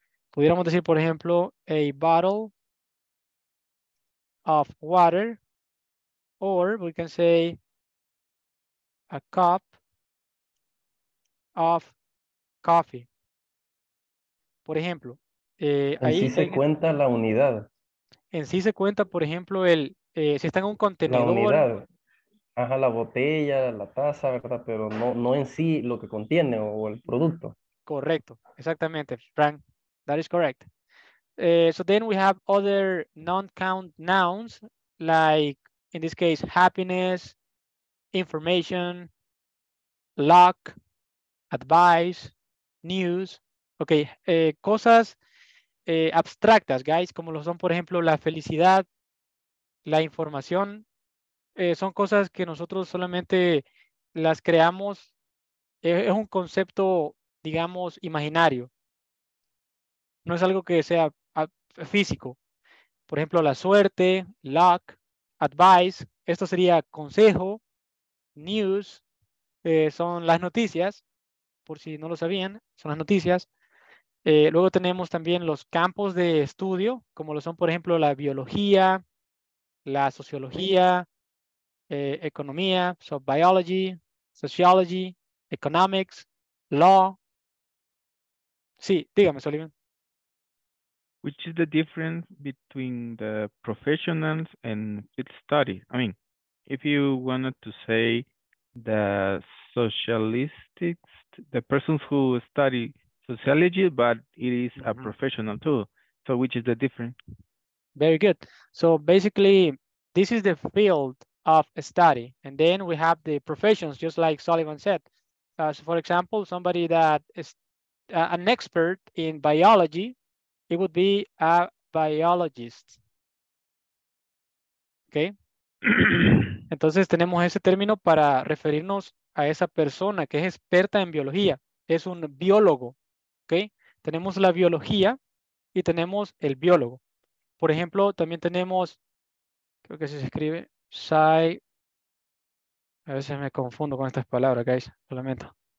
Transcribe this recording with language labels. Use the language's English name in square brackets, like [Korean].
[Spanish] Pudiéramos decir, por ejemplo, [English] a bottle of water, or we can say a cup of coffee. [Spanish] Por ejemplo, ahí sí se cuenta la unidad. En sí se cuenta, por ejemplo, si está en un contenedor. La unidad. Ajá, la botella, la taza, ¿verdad? Pero no en sí lo que contiene o el producto. Correcto, exactamente, [English] Frank. That is correct. So then we have other non-count nouns, like in this case, happiness, information, luck, advice, news. [Spanish] Okay, cosas abstractas, guys, como lo son, por ejemplo, la felicidad, la información, son cosas que nosotros solamente las creamos. Es un concepto, digamos, imaginario. No es algo que sea físico. Por ejemplo, la suerte, luck, advice, esto sería consejo, news, son las noticias, por si no lo sabían, son las noticias. Luego tenemos también los campos de estudio, como lo son, por ejemplo, la biología, la sociología, economía, [English] so biology, sociology, economics, law. [Spanish] Sí, dígame, Sullivan. [English] Which is the difference between the professionals and field study? I mean, if you wanted to say the socialists, the persons who study sociology, but it is a professional too. So which is the difference? Very good. So basically, this is the field of study. And then we have the professions, just like Sullivan said. So for example, somebody that is an expert in biology, it would be a biologist. Okay. [Spanish] Entonces tenemos ese término para referirnos a esa persona que es experta en biología. Es un biólogo. Okay. Tenemos la biología y tenemos el biólogo. Por ejemplo, también tenemos, creo que se escribe, a veces me confundo con estas palabras, guys, lo lamento.